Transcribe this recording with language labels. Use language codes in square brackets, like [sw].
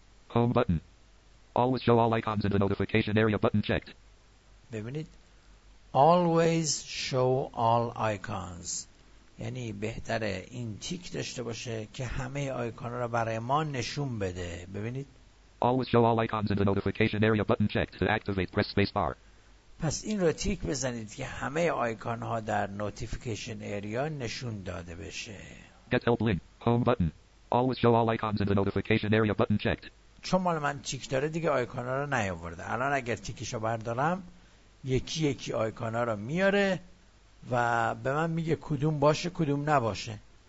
[en] Home button. Always show all icons in the notification area button checked. [fa] ببینید [en] always show all icons، [fa] یعنی بهتره این تیک داشته باشه که همه آیکون رو برای ما نشون بده. ببینید [en] always show all icons in the notification area button checked. To activate press space bar. [fa] پس این رو تیک بزنید که همه آیکون ها در notification area نشون داده بشه. [en] Get help link home button. Always show all icons in the notification area button checked. [fa] چون مال من تیک داره دیگه آیکانا رو نیاورده. الان اگر تیکشو بردارم یکی یکی آیکانا رو میاره و به من میگه کدوم باشه کدوم نباشه.